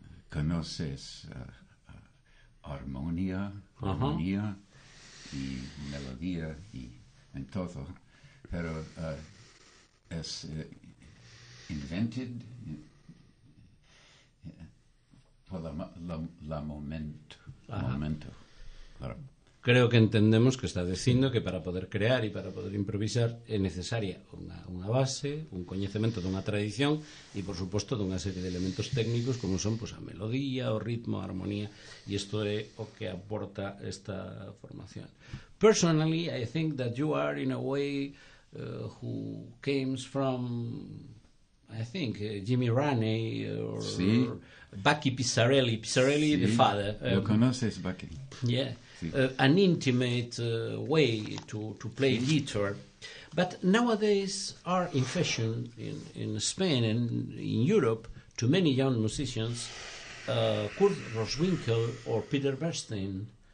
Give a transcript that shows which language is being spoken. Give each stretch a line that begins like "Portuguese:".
Spanish: conoces armonía, uh-huh, armonía y melodía y en todo, pero es invented por la momento, uh-huh, momento, claro.
Galician: Creo que entendemos que está dicindo que para poder crear e para poder improvisar é necesaria unha base, un coñecemento dunha tradición e, por suposto, dunha serie de elementos técnicos como son pues, a melodía, o ritmo, a armonía, e isto é o que aporta esta formación.
English: Personally, I think that you are, in a way, who came from, I think, Jimmy Raney or,
Spanish: sí,
English: or Bucky Pizzarelli. Pizzarelli, the father.
Spanish: Lo conoces, Bucky.
English: Yeah. An intimate way to play guitar, but nowadays are in fashion in Spain and in Europe to many young musicians Kurt Roswinkel or Peter Bernstein.